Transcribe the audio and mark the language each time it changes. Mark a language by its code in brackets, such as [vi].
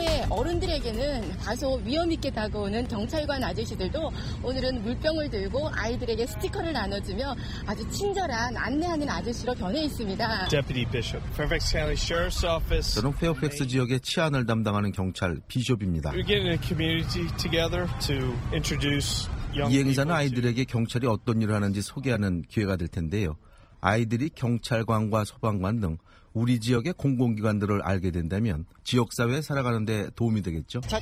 [ko] 어른들에게는 다소 위험 있게 다가오는 경찰관 아저씨들도 오늘은 물병을 들고 아이들에게 스티커를 나눠주며 아주 친절한 안내하는 아저씨로 변해 있습니다. [en] Deputy Bishop, Fairfax County Sheriff's Office. [ko] 저는 페어팩스 지역의 치안을 담당하는 경찰 비숍입니다. [en] We're getting a community together to introduce young people. [ko] 이 행사는 아이들에게 경찰이 어떤 일을 하는지 소개하는 기회가 될 텐데요. 아이들이 경찰관과 소방관 등 우리 지역의 공공기관들을 알게 된다면 지역사회에 살아가는 데 도움이 되겠죠.